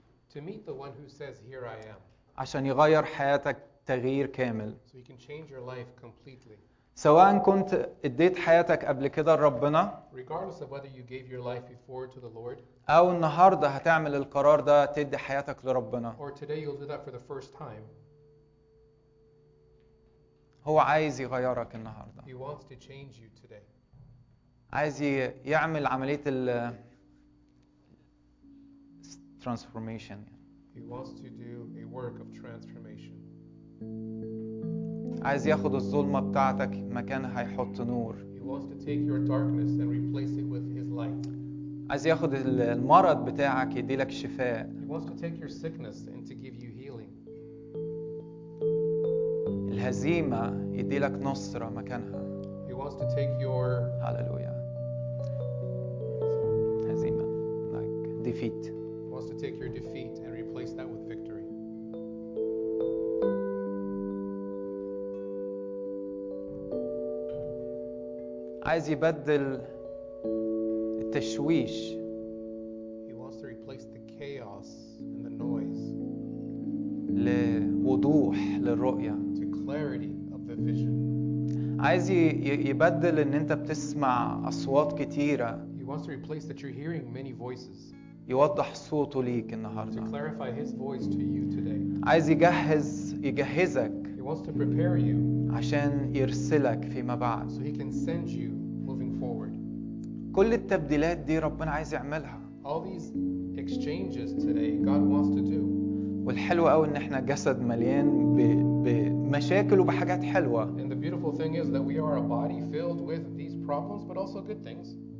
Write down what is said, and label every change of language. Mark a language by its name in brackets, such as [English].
[English] To meet the one who says, here I am. [Arabic] عشان يغير حياتك تغيير كامل. [English] So he can change your life completely. [Arabic] سواء كنت اديت حياتك قبل كده لربنا. [English] Regardless of whether you gave your life before to the Lord. [Arabic] أو النهاردة هتعمل القرار ده تدي حياتك لربنا. [English] Or today you'll do that for the first time. [Arabic] هو عايز يغيرك النهاردة. [English] He wants to change you today. [Arabic] عايز يعمل عملية ال transformation. [English] He wants to do a work of transformation. [Arabic] عايز ياخد الظلمة بتاعتك مكانها يحط نور. [English] He wants to take your darkness and replace it with his light. [Arabic] عايز ياخد المرض بتاعك يديلك شفاء. [English] He wants to take your sickness and to give you healing. [Arabic] الهزيمة يديلك نصرة مكانها. [English] He wants to take your hallelujah. هزيمة like defeat. To take your defeat and replace that with victory. [Arabic] عايز يبدل التشويش. [English] He wants to replace the chaos and the noise. [Arabic] لوضوح للرؤية. [English] To clarity of the vision. [Arabic] عايز يبدل ان انت بتسمع اصوات كتيرة. [English] He wants to replace that you're hearing many voices. [Arabic] يوضح صوته ليك النهاردة. [English] To clarify his voice to you today. [Arabic] عايز يجهزك. [English] He wants to prepare you. [Arabic] عشان يرسلك فيما بعد. [English] So he can send you moving forward. [Arabic] كل التبديلات دي ربنا عايز يعملها. [English] All these exchanges today God wants to do. [Arabic] والحلو قوي ان احنا جسد مليان بمشاكل وبحاجات حلوة. [English] And the beautiful thing is that we are a body filled with these problems but also good things.